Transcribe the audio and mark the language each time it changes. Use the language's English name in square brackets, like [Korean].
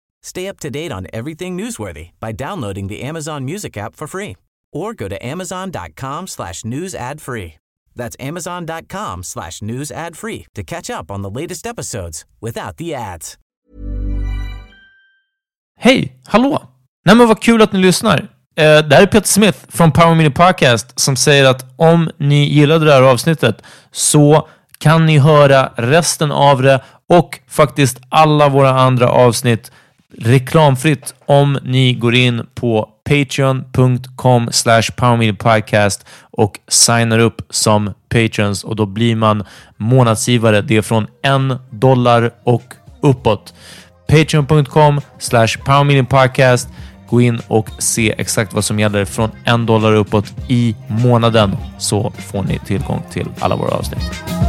[English] Stay up to date on everything newsworthy by downloading the Amazon Music app for free or go to amazon.com/newsadfree. That's amazon.com/newsadfree to catch up on the latest episodes without the ads. [Swedish] Hej, hallå! Nej men vad kul att ni lyssnar. Det här är Peter Smith från Power Mini Podcast som säger att om ni gillade det här avsnittet så kan ni höra resten av det och faktiskt alla våra andra avsnitt reklamfritt om ni går in på patreon.com/powermillipodcast och signar upp som patrons och då blir man månadsgivare. Det är från $1 och uppåt. patreon.com/powermillipodcast. Gå in och se exakt vad som gäller från $1 uppåt i månaden så får ni tillgång till alla våra avsnitt.